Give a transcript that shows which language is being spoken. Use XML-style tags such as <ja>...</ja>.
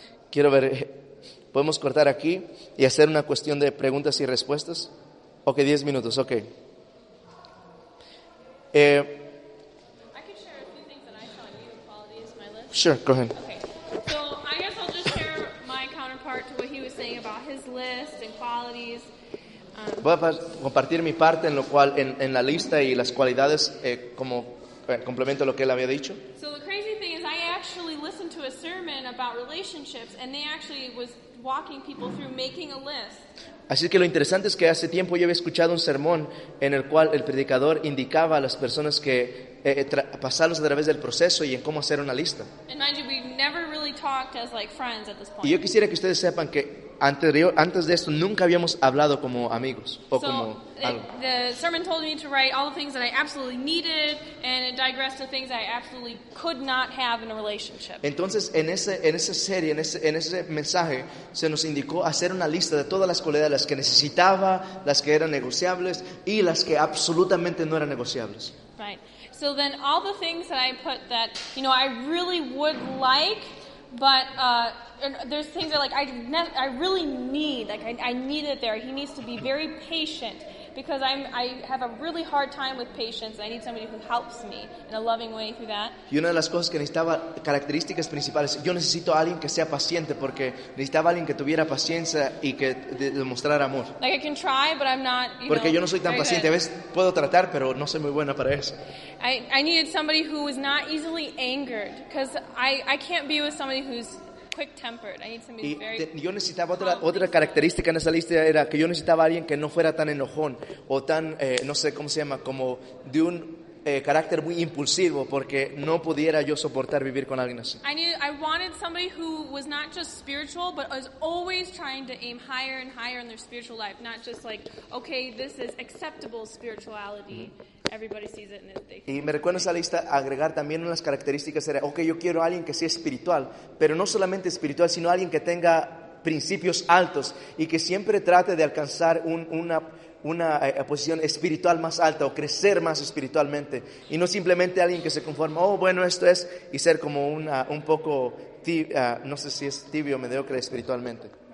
<es>Quiero ver, ¿podemos cortar aquí y hacer una cuestión de preguntas y respuestas? Ok, 10 minutos, ok.</es> <en>I can share a few things that I saw in you, qualities, my list. Sure, go ahead. Okay, so I guess I'll just share my counterpart to what he was saying about his list and qualities.</en> <es>Voy a compartir mi parte en lo cual en la lista y las cualidades como complemento a lo que él había dicho.</es> <en>So the crazy thing is I actually listened to a sermon about relationships and they actually was walking people through making a list.</en> <es>Así que lo interesante es que hace tiempo yo había escuchado un sermón en el cual el predicador indicaba a las personas que pasarlos a través del proceso y en cómo hacer una lista.</es> <en>And mind you, we've never really talked as like friends at this point.</en> <es>Y yo quisiera que ustedes sepan que antes de esto nunca habíamos hablado como amigos o</es> <en>so,</en> <es>como algo.</es> <en>The sermon told me to write all the things that I absolutely needed and it digressed to things I absolutely could not have in a relationship.</en> <es>Entonces en ese mensaje se nos indicó hacer una lista de todas las cualidades las que necesitaba, las que eran negociables y las que absolutamente no eran negociables.</es> <en>Right. So then all the things that I put that, you know, I really would like but there's things that are like I really need, I need it there. He needs to be very patient because I have a really hard time with patience. I need somebody who helps me in a loving way through that.</en> <es>Y una de las cosas que necesitaba características principales, yo necesito a alguien que sea paciente porque necesitaba a alguien que tuviera paciencia y que demostrara amor.</es> <en>Like I can try, but I'm not.</en> <es>Porque</es> <en>know,</en> <es>yo no soy tan paciente.</es> <en>Good.</en> <es>A veces puedo tratar, pero no soy muy buena para eso.</es> <en>I needed somebody who was not easily angered because I can't be with somebody who's quick-tempered. I need somebody</en> <es>yo necesitaba otra característica en esa lista era que yo necesitaba a alguien que no fuera tan enojón o tan, no sé cómo se llama, como de un carácter muy impulsivo porque no pudiera yo soportar vivir con alguien así.</es> <en>I wanted somebody who was not just spiritual but was always trying to aim higher and higher in their spiritual life, not just like, okay, this is acceptable spirituality. Mm-hmm. Everybody sees it and they</en> <es>y me recuerdo esa lista agregar también unas características era, okay, yo quiero a alguien que sea espiritual, pero no solamente espiritual, sino alguien que tenga principios altos y que siempre trate de alcanzar una posición espiritual más alta o crecer más espiritualmente y no simplemente alguien que se conforma, oh, bueno, esto es, y ser como un poco tibio, no sé si es tibio o mediocre espiritualmente.</es>